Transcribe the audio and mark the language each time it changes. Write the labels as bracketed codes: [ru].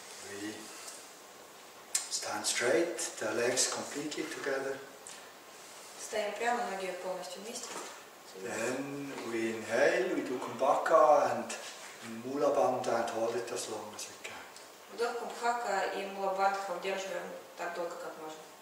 [en] We stand straight, the legs completely together. [ru] Стоим прямо, ноги полностью вместе. [en] Then we inhale, we do kumbhaka and mula bandha and hold it as long as we can. [ru] Вдох кумбхака и мула бандха удерживаем так долго, как можно.